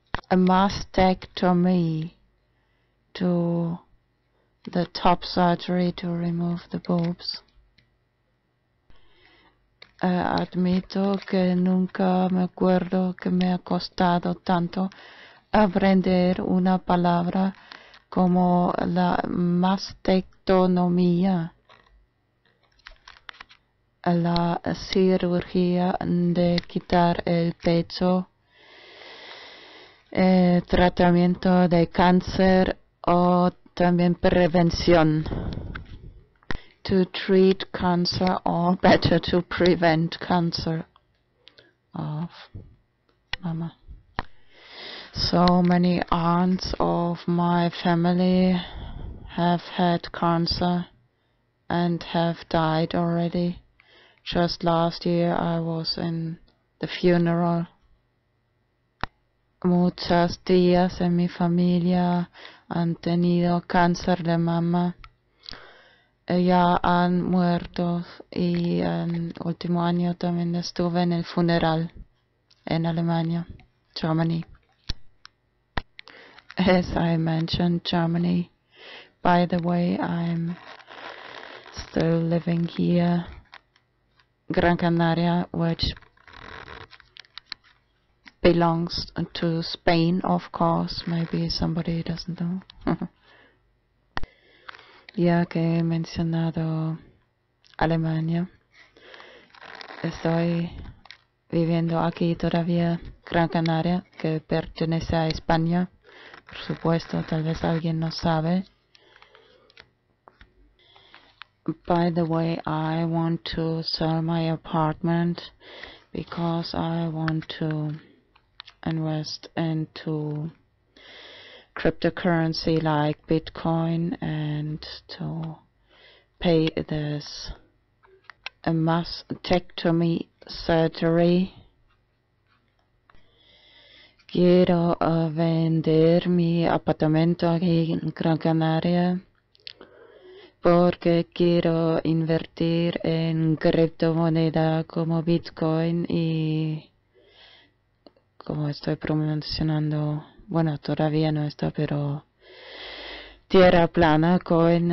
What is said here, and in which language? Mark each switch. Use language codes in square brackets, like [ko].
[en] A mastectomy to the top surgery to remove the boobs. [es] Admito que nunca me acuerdo que me ha costado tanto aprender una palabra como la mastectomía, la cirugía de quitar el pecho, tratamiento de cáncer o también prevención. [en] To treat cancer or better to prevent cancer. Of mama. So many aunts of my family have had cancer and have died already. Just last year I was in the funeral. [es] Muchas tías en mi familia han tenido cáncer de mama. Ya han muerto y en el último año también estuve en el funeral en Alemania, Germany. [en] As I mentioned, Germany. By the way, I'm still living here, Gran Canaria, which belongs to Spain, of course. Maybe somebody doesn't know. [es] Ya que he mencionado Alemania, estoy viviendo aquí todavía, Gran Canaria, que pertenece a España. Por supuesto, tal vez alguien no sabe. [en] By the way, I want to sell my apartment because I want to invest into cryptocurrency like Bitcoin and to pay this mastectomy surgery. [es] Quiero vender mi apartamento aquí en Gran Canaria porque quiero invertir en criptomoneda como Bitcoin y como estoy promocionando, bueno, todavía no está, pero tierra plana, coin.